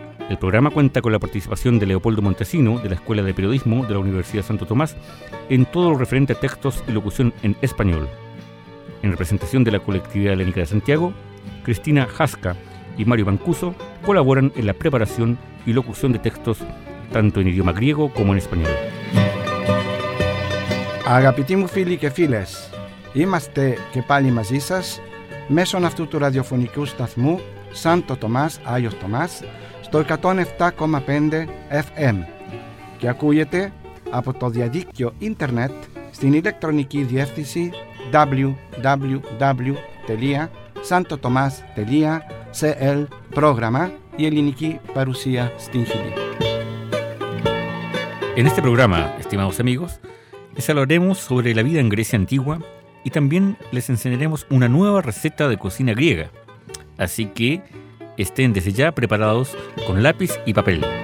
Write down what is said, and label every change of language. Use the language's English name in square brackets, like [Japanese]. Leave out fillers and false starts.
[Spanish] El programa cuenta con la participación de Leopoldo Montesino, de la Escuela de Periodismo de la Universidad Santo Tomás, en todo lo referente a textos y locución en español. En representación de la Colectividad Helénica de Santiago, Cristina Jasca y Mario Mancuso colaboran en la preparación y locución de textos, tanto en idioma griego como en español. [Greek] Αγαπητοί φίλοι και φίλες, είμαστε και πάλι μαζί σας μέσω αυτού του ραδιοφωνικού σταθμού Σάντο Τομάς, Άγιος Τομάς, στο 107,5 FM και ακούγεται από το διαδίκτυο ίντερνετ στην ηλεκτρονική διεύθυνση www.santotomas.cl πρόγραμμα η ελληνική παρουσία στην Χιλή. [Spanish] En este programa, estimados amigos, les hablaremos sobre la vida en Grecia antigua y también les enseñaremos una nueva receta de cocina griega. Así que estén desde ya preparados con lápiz y papel.